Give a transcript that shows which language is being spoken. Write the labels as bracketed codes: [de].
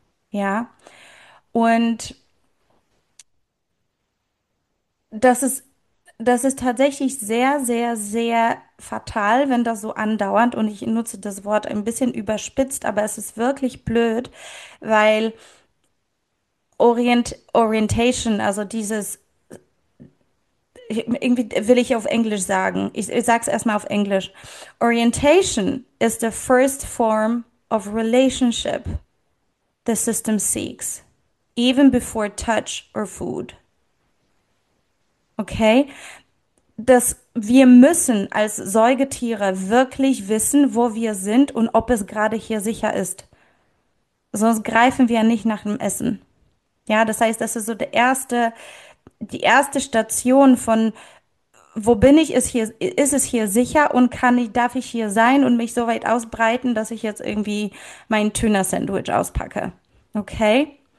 [de] Ja, und das ist tatsächlich sehr, sehr, sehr fatal, wenn das so andauernd, und ich nutze das Wort ein bisschen überspitzt, aber es ist wirklich blöd, weil Orientation, also dieses, irgendwie will ich auf Englisch sagen, ich sage es erstmal auf Englisch. [en] Orientation is the first form of relationship the system seeks, even before touch or food. Okay? [de] Dass wir müssen als Säugetiere wirklich wissen, wo wir sind und ob es gerade hier sicher ist. Sonst greifen wir nicht nach dem Essen. Ja, das heißt, das ist so die erste Station von, wo bin ich, ist es hier sicher und darf ich hier sein und mich so weit ausbreiten, dass ich jetzt irgendwie mein Tuna-Sandwich auspacke. Okay?